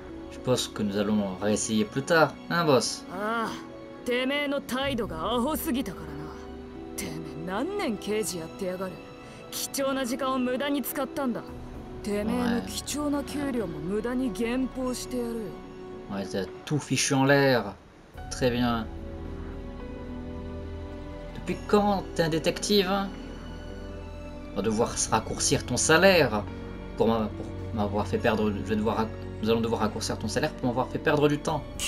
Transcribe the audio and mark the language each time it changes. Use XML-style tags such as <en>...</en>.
<fr>Je pense que nous allons réessayer plus tard, hein, boss?</fr> <ja>てめえの態度がアホすぎたからな。てめえ何年刑事やってやがる。貴重な時間を無駄に使ったんだ。てめえの貴重な給料も無駄に減俸してやるよ。</ja> <fr>Ouais, t'as tout fichu en l'air. Très bien. Depuis quand t'es un détective? On va devoir raccourcir ton salaire pour m'avoir fait perdre. Je vais devoir. Nous allons devoir raccourcir ton salaire pour m'avoir fait perdre du temps.</fr>